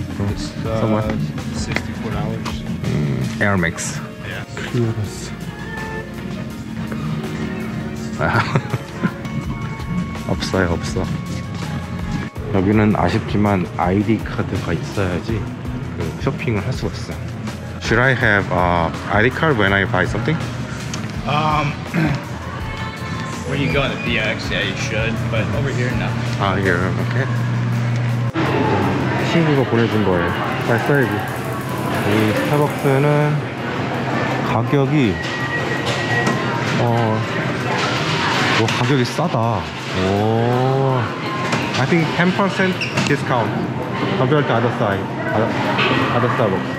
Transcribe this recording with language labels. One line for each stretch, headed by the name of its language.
English: It's 64 dollars. Air Max. Yes.
Korean: 없어요, 없어. 여기는 아쉽지만 아이디 카드가 있어야지 그 쇼핑을 할 수가 있어.
English: Should I have a ID card when I buy something? When you go on the BX, yeah, you should, but over here, no. Ah, here, okay.
Korean: 친구가 보내준 거예요. 잘 써야지. 이 스타벅스는 가격이 뭐 가격이 싸다.
English: 오, I think 10% discount compared to other side, other Starbucks.